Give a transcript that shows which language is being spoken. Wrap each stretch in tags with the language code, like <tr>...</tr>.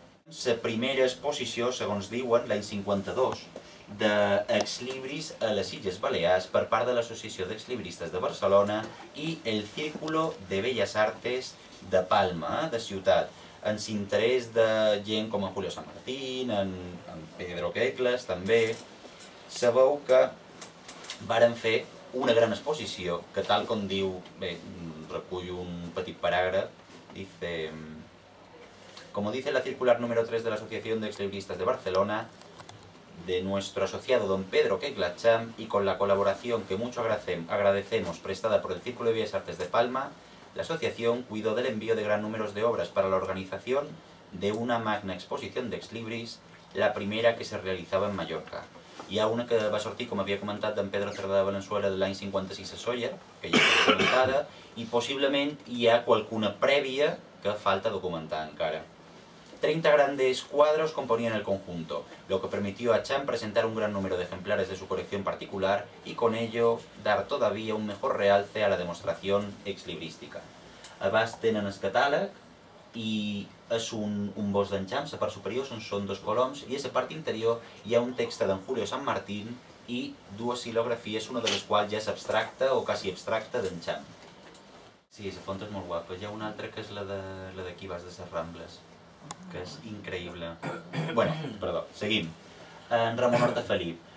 <ca>La primera exposició, segons diuen, l'any 52, d'exlibris a les Illes Balears per part de l'Associació d'Exlibristes de Barcelona i el Círculo de Belles Artes de Palma, de ciutat, amb l'interès de gent com en Julio San Martín, en Pedro Quecles, també. Sabeu que varen fer una gran exposició, que tal com diu, bé, recullo un petit paràgraf,</ca> <es>dice, como dice la circular número 3 de la Asociación de Exlibristas de Barcelona, de nuestro asociado don Pedro Queglacham, y con la colaboración que mucho agradecemos prestada por el Círculo de Bellas Artes de Palma, la asociación cuidó del envío de gran número de obras para la organización de una magna exposición de exlibris, la primera que se realizaba en Mallorca.</es> <ca>Hi ha una que va sortir, com havia comentat, d'en Pedro Cerdà de Valenzuela de l'any 56 a Solla, que ja està documentada, i possiblement hi ha qualcuna prèvia que falta documentar encara.</ca> <es>30 grandes quadros componien el conjunto, lo que permitió a Chan presentar un gran número de ejemplares de su colección particular y con ello dar todavía un mejor realce a la demostración exlibrística.</es> <ca>Abans tenen el catàleg i és un bos d'en Xam, la part superior són dos coloms, i a la part interior hi ha un text d'en Julio San Martín i dues xilografies, una de les quals ja és abstracta o quasi abstracta d'en Xam. Sí, la font és molt guapa. Hi ha una altra que és la d'aquí baix de les Rambles, que és increïble. Bueno, perdó, seguim. En Ramon Hortafeliu.</ca>